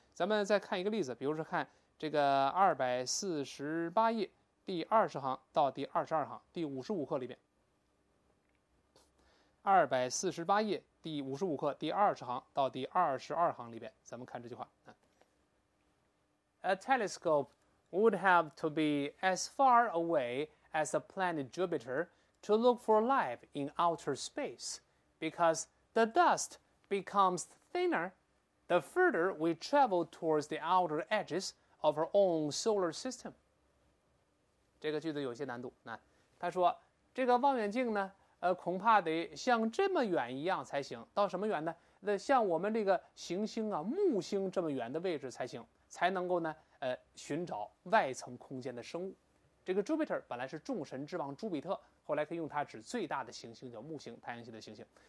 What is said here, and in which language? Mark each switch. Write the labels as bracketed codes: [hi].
[zh] 咱们再看一个例子，比如说看这个248页第20行到第22行第55课里面。 248页第55课第20行到第22行里边，咱们看这句话。 [en] A telescope would have to be as far away as the planet Jupiter to look for life in outer space, because the dust becomes thinner the further we travel towards the outer edges of our own solar system. [zh] 这个句子有些难度。他说，这个望远镜呢，恐怕得像这么远一样才行。到什么远呢？那像我们这个行星啊，木星这么远的位置才行，才能够呢，寻找外层空间的生物。这个 Jupiter 本来是众神之王朱比特，后来可以用它指最大的行星，叫木星，太阳系的行星。